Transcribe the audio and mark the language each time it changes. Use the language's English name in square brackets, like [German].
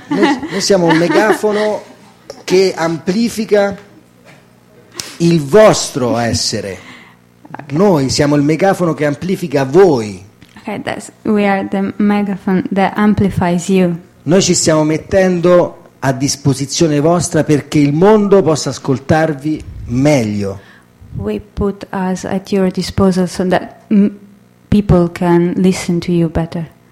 [Italian] Noi siamo un megafono che amplifica il vostro essere. Okay. Noi siamo il megafono che amplifica voi. [English] Okay, that's, we are the megaphone that amplifies you. [Italian] Noi ci stiamo mettendo a disposizione vostra perché il mondo possa ascoltarvi meglio. [English] We put us at your disposal so that people can listen to you better.